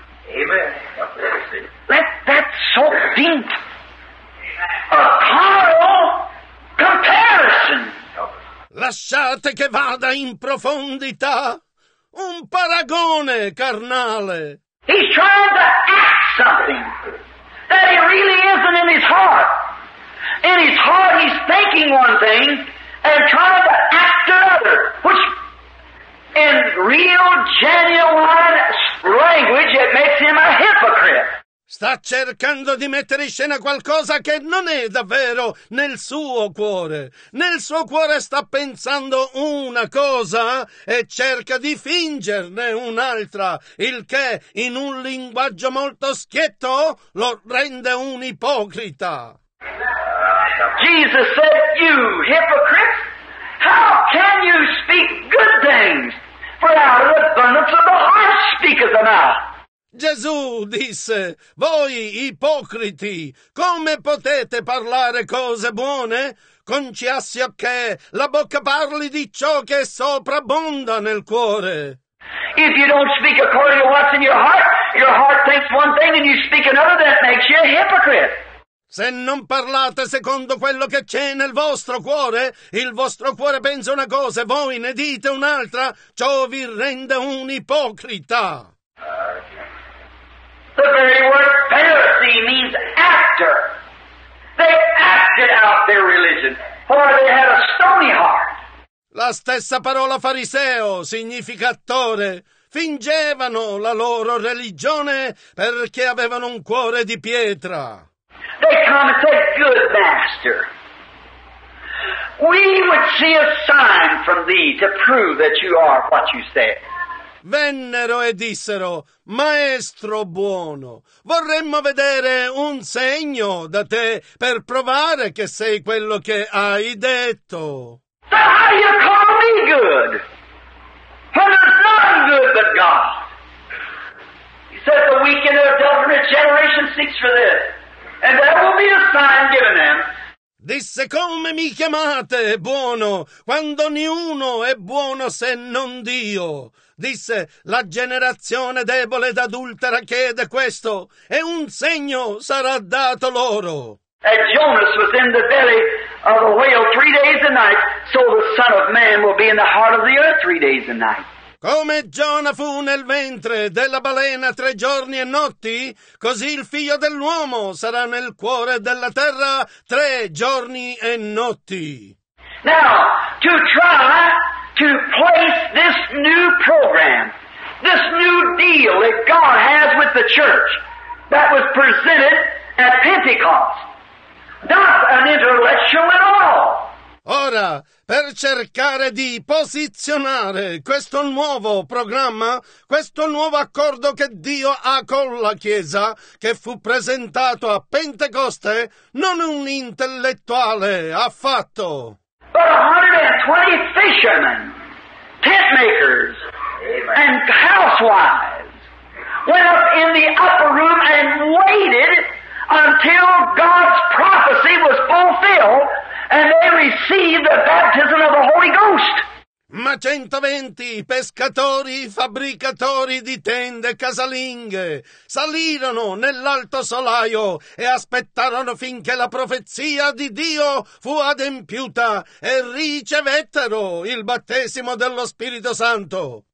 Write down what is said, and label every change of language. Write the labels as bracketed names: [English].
[English] Amen. Let that soak deep. A carnal comparison. [Italian] Lasciate che vada in profondità. Un paragone carnale. [English] He's trying to act something that he really isn't in his heart. In his heart, he's thinking one thing and trying to act another, which. In real, genuine language, it makes him a hypocrite. [Italian] Sta cercando di mettere in scena qualcosa che non è davvero nel suo cuore. Nel suo cuore sta pensando una cosa e cerca di fingerne un'altra, il che in un linguaggio molto schietto lo rende un ipocrita. [English] Jesus said, "You hypocrite, how can you speak good things? For out of the abundance of the heart speaketh the mouth." [Italian] Gesù disse, voi ipocriti, come potete parlare cose buone? Conciassio che la bocca parli di ciò che soprabbonda nel cuore. [English] If you don't speak according to what's in your heart thinks one thing and you speak another, that makes you a hypocrite. [Italian] Se non parlate secondo quello che c'è nel vostro cuore pensa una cosa e voi ne dite un'altra, ciò vi rende un ipocrita. [English] The very word Pharisee means actor. They acted out their religion, for they had a stony heart. [Italian] La stessa parola fariseo significa attore. Fingevano la loro religione perché avevano un cuore di pietra. [English] They come and say, "Good master, we would see a sign from thee to prove that you are what you say." [Italian] Vennero e dissero, "Maestro buono, vorremmo vedere un segno da te per provare che sei quello che hai detto." [English] So how do you call me good? When there's none good but God. He said, "The weak and adulterous generation seeks for this. And there will be a sign given them." [Italian] Disse, "Come mi chiamate buono, quando niuno è buono se non Dio?" Disse, "La generazione debole ed adultera chiede questo, e un segno sarà dato loro." [English] And Jonas was in the belly of a whale 3 days and nights, so the Son of Man will be in the heart of the earth 3 days and nights. [Italian] Come Giona fu nel ventre della balena 3 giorni e notti, così il figlio dell'uomo sarà nel cuore della terra 3 giorni e notti. [English] Now, to try to place this new program, this new deal that God has with the church that was presented at Pentecost, not an intellectual at all. [Italian] Ora, per cercare di posizionare questo nuovo programma, questo nuovo accordo che Dio ha con la Chiesa, che fu presentato a Pentecoste, non un intellettuale affatto. [English] But 120 fishermen, tent makers, and housewives went up in the upper room and waited until God's prophecy was fulfilled. And they received the baptism of the Holy Ghost. [Italian] Ma 120 pescatori, fabbricatori di tende casalinghe, salirono nell'alto solaio e aspettarono finché la profezia di Dio fu adempiuta e ricevettero il battesimo dello Spirito Santo.